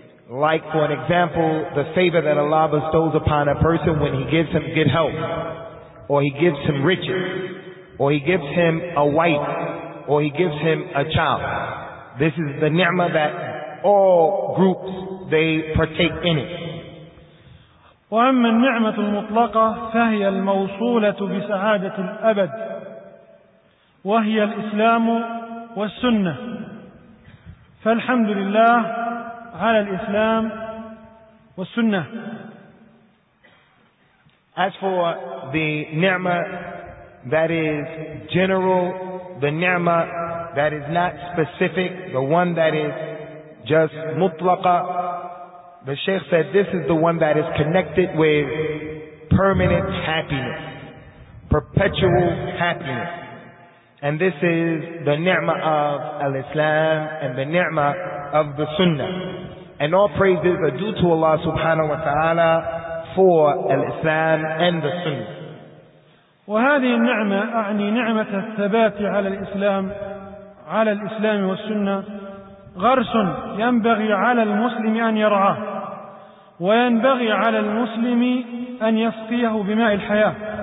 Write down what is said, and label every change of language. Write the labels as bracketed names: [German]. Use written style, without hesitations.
[English] Like, for an example, the favor that Allah bestows upon a person when He gives him good health, or He gives him riches, or He gives him a wife, or He gives him a child. This is the ni'mah that all groups, they partake in it. [Arabic] وأما النعمة المطلقة فهي الموصولة بسعادة الأبد، وهي الإسلام والسنة. فالحمد لله على الإسلام والسنة. [English] As for the ni'mah that is general, the ni'mah that is not specific, the one that is just mutlaqa, the Shaykh said this is the one that is connected with permanent happiness, perpetual happiness. And this is the ni'mah of al-Islam and the ni'mah of the Sunnah. And all praises are due to Allah subhanahu wa ta'ala for al-Islam and the Sunnah. [Arabic] وهذه النعمة أعني نعمة الثبات على الإسلام، على الإسلام والسنة، غرس ينبغي على المسلم أن يرعاه، وينبغي على المسلم أن يسقيه بماء الحياة،